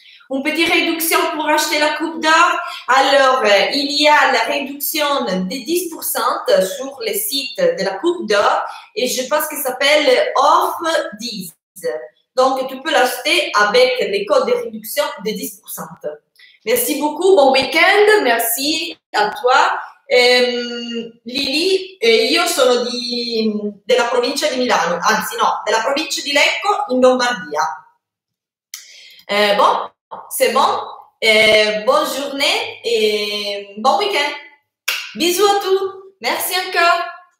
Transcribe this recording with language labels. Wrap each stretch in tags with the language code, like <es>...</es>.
<fr>Une petite réduction pour acheter la coupe d'or. Alors, il y a la réduction de 10% sur le site de la coupe d'or. Et je pense qu'il s'appelle Off10. Donc, tu peux l'acheter avec les codes de réduction de 10%. Merci beaucoup, bon week-end, merci à toi.</fr> <it>Lili, io sono della provincia di Milano, anzi no, della provincia di Lecco in Lombardia.</it> <fr>Bon, c'est bon, bonne journée et bon week-end. Bisous à tous, merci encore.</fr>